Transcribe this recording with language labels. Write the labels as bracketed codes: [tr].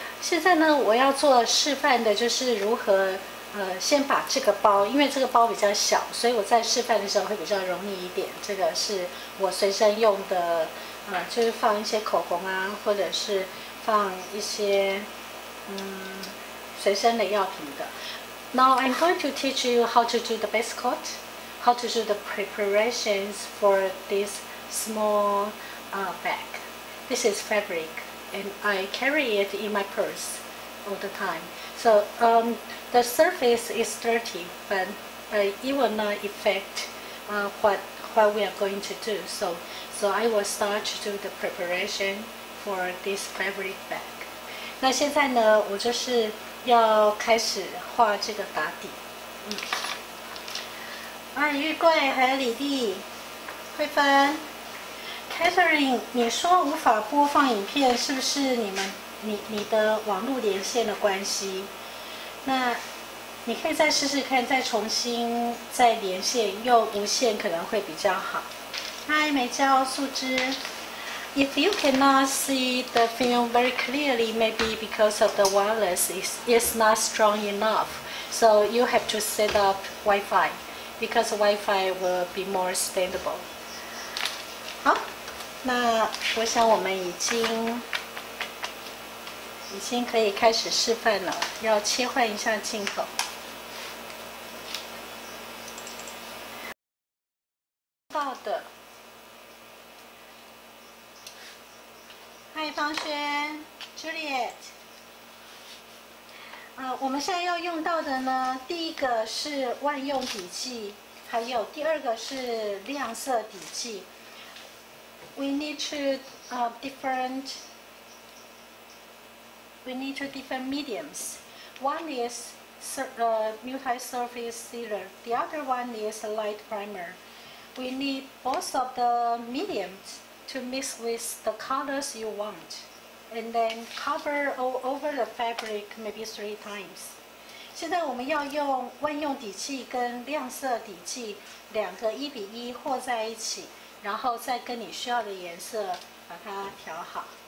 [zh] 现在呢，我要做示范的就是如何先把这个包，因为这个包比较小，所以我在示范的时候会比较容易一点。这个是我随身用的。就是放一些口红啊，或者是放一些随身的药品的。 [en] Now I'm going to teach you how to do the base coat, how to do the preparations for this small bag. This is fabric, and I carry it in my purse all the time. So the surface is dirty, but it will not affect what we are going to do. So I will start to do the preparation for this fabric bag. [zh] 那现在呢，我就是要开始画这个打底。玉桂还有李丽、慧芬、Catherine， 你说无法播放影片，是不是你的网络连线的关系？那你可以再试试看，再重新再连线，用无线可能会比较好。 Hi, 美娇、素芝。 [en] If you cannot see the film very clearly, maybe because of the wireless is not strong enough. So you have to set up Wi-Fi, because Wi-Fi will be more standable. [zh] 好，那我想我们已经可以开始示范了，要切换一下镜头。到的。嗨，方萱 ，Juliet， 我们现在要用到的呢，第一个是万用底剂，还有第二个是亮色底剂。 [en] We need two different mediums. One is multi-surface sealer. The other one is a light primer. We need both of the mediums. To mix with the colors you want, and then cover all over the fabric maybe three times. [zh] 现在我们要用万用底剂跟亮色底剂两个一比一和在一起，然后再跟你需要的颜色把它调好。